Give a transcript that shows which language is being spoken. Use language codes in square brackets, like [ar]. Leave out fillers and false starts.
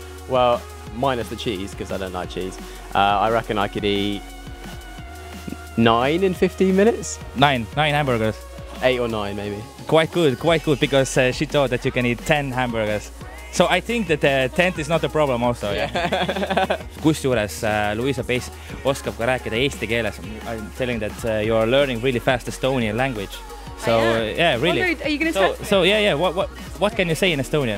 [en] Well, minus the cheese, because I don't like cheese. I reckon I could eat 9 in 15 minutes. Nine hamburgers. 8 or 9, maybe. Quite good, because she thought that you can eat 10 hamburgers. So I think that the 10th is not a problem also. Yeah. [et] Kusjuures, Luisa Peis oskab ka rääkida eesti keeles. [en] I'm telling that you are learning really fast Estonian language. So, yeah, really. Are you going to talk to me? So, yeah, what can you say in Estonian?